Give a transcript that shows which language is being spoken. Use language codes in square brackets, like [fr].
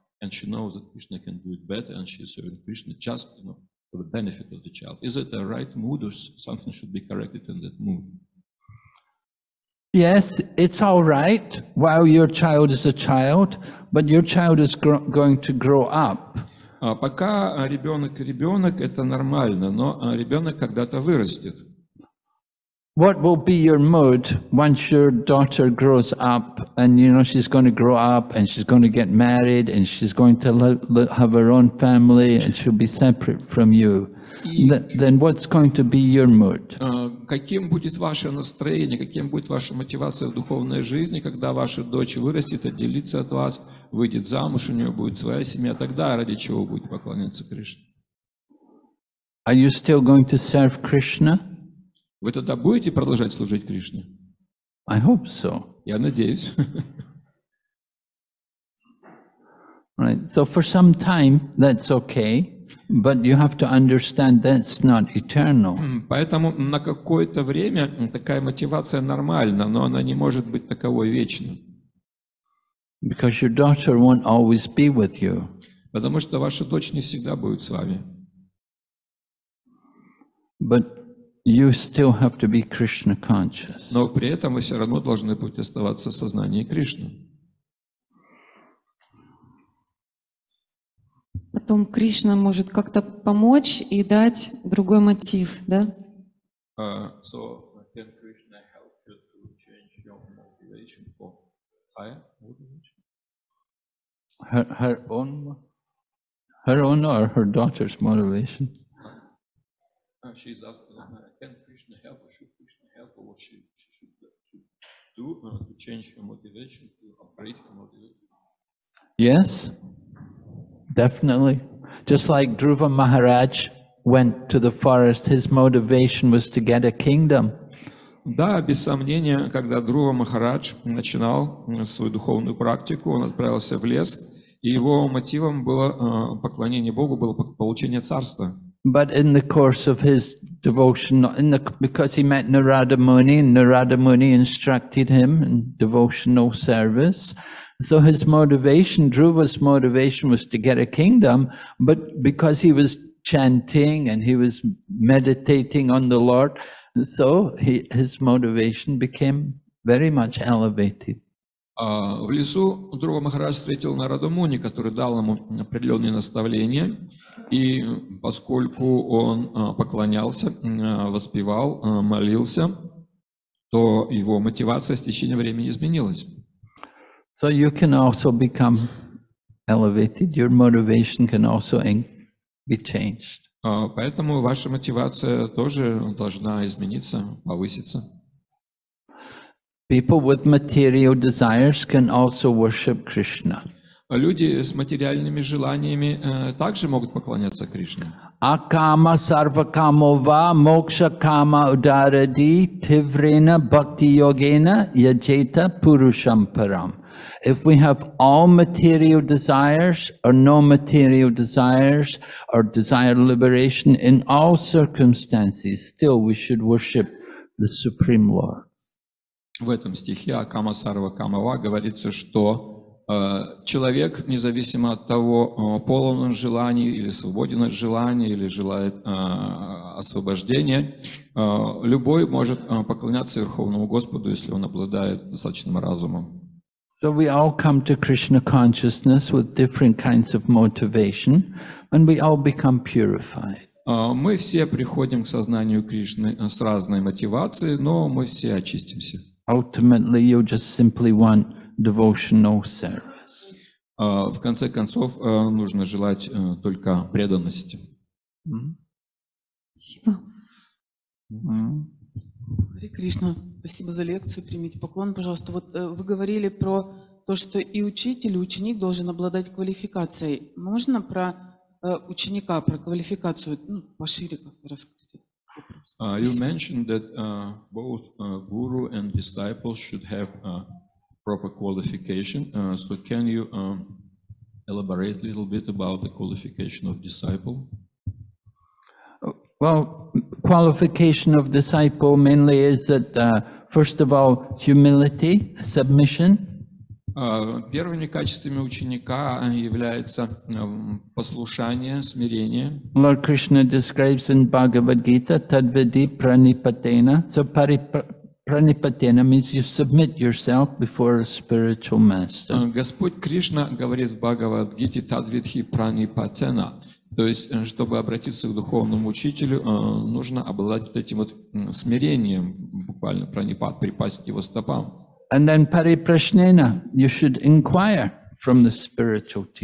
[en] And she knows that Krishna can do it better, and she's serving Krishna just, you know, for the benefit of the child. Is it the right mood, or something should be corrected in that mood? Yes, it's all right while your child is a child, but your child is going to grow up. [ru] Пока ребенок, это нормально, но ребенок когда-то вырастет. [en] What will be your mood once your daughter grows up, and you know she's going to grow up, and she's going to get married, and she's going to have her own family, and she'll be separate from you? Then what's going to be your mood? [ru] Каким будет ваше настроение, каким будет ваша мотивация в духовной жизни, когда ваша дочь вырастет, отделится от вас, выйдет замуж, у нее будет своя семья, тогда ради чего будете поклоняться Кришне? [en] Are you still going to serve Krishna? [ru] Вы тогда будете продолжать служить Кришне? [en] I hope so. [ru] Я надеюсь. [en] Right. So for some time that's okay. But you have to understand that's not eternal. [ru] Поэтому на какое-то время такая мотивация нормальна, но она не может быть таковой вечно. [en] Because your daughter won't always be with you. [ru] Потому что ваша дочь не всегда будет с вами. [en] But you still have to be Krishna conscious. [ru] Но при этом вы все равно должны будете оставаться в сознании Кришны. Потом Кришна может как-то помочь и дать другой мотив, да? [en] Can Krishna help you to change your motivation for higher motivation? Her own or her daughter's motivation? She's asking, can Krishna help, or should Krishna help, or what she should do to change her motivation, to upgrade her motivation? Yes. Definitely. Just like Dhruva Maharaj went to the forest, his motivation was to get a kingdom. [ru] Да, без сомнения, когда Друва Махарадж начинал свою духовную практику, он отправился в лес, и его мотивом было поклонение Богу, было получение царства. [en] But in the course of his devotion, because he met Narada Muni, and Narada Muni instructed him in devotional service, So his motivation, Dhruva's motivation was to get a kingdom, but because he was chanting and he was meditating on the Lord, so his motivation became very much elevated. [ru] В лесу Друва Махарадж встретил Нараду Муни, который дал ему определенные наставления, и поскольку он поклонялся, воспевал, молился, то его мотивация с течением времени изменилась. [en] So you can also become elevated, your motivation can also be changed. [ru] Поэтому ваша мотивация тоже должна измениться, повыситься. [en] People with material desires can also worship Krishna. [ru] Люди с материальными желаниями также могут поклоняться Кришне. [sa] Акама сарвакамова мокша кама ударади тиврена бхакти йогена яджета пурушам парам. [en] If we have all material desires or no material desires or desire liberation in all circumstances, still we should worship the Supreme Lord. [ru] В этом стихе [sa] Акама Сарва Камава [ru] говорится, что человек, независимо от того, полон он желаний или свободен от желаний, или желает освобождения, любой может поклоняться Верховному Господу, если он обладает достаточным разумом. [en] So we all come to Krishna consciousness with different kinds of motivation, and we all become purified. [ru] Мы все приходим к сознанию Кришны с разной мотивацией, но мы все очистимся. [en] Ultimately, you just simply want devotional service. [ru] В конце концов, нужно желать только преданности. Спасибо. Хари Кришна, спасибо за лекцию. Примите поклон, пожалуйста. Вот вы говорили про то, что и учитель, и ученик должен обладать квалификацией. Можно про ученика, про квалификацию, ну, пошире как-то рассказать? [en] You mentioned that both guru and disciple should have proper qualification. So can you elaborate a little bit about the qualification of disciple? Well, qualification of disciple mainly is that, first of all, humility, submission. [ru] Первыми качествами ученика является послушание, смирение. [en] Lord Krishna describes in Bhagavad Gita [sa] tadvidi pranipatena. [en] So pranipatena means you submit yourself before a spiritual master. [ru] Господь Кришна говорит в Бхагавад Гите [sa] тадвидхи пранипатена. [ru] То есть, чтобы обратиться к духовному учителю, нужно обладать этим вот смирением, буквально пранипат, припасть к его стопам. [en] And then парипрашнена, you should inquire from the spiritual teacher.